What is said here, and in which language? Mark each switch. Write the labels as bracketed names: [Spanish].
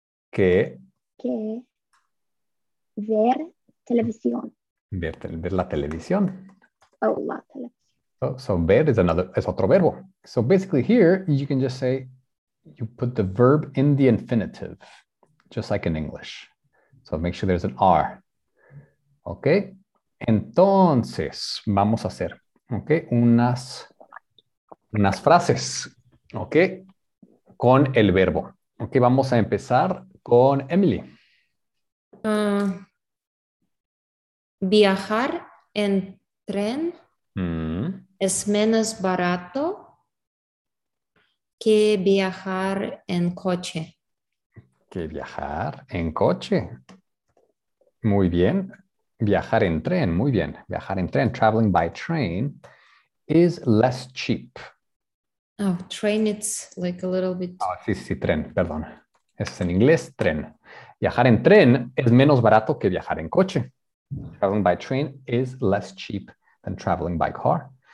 [Spanish] que ver televisión. Ver la televisión. Oh, la televisión. So ver es otro verbo. [English] So basically here, you can just say, you put the verb in the infinitive. Just like in English. So make sure there's an R. Ok. [Spanish] Entonces, vamos a hacer, ok, unas frases, ok, con el verbo. Ok, vamos a empezar con Emily. Viajar en tren es menos barato que viajar en coche. Que viajar en coche. Muy bien. Viajar en tren. Muy bien. Viajar en tren. [English] Traveling by train is less cheap. Oh, train, it's like a little bit... [Spanish] Oh, sí, tren. Perdón. Es en inglés, tren. Viajar en tren es menos barato que viajar en coche. [English] Traveling by train is less cheap than traveling by car.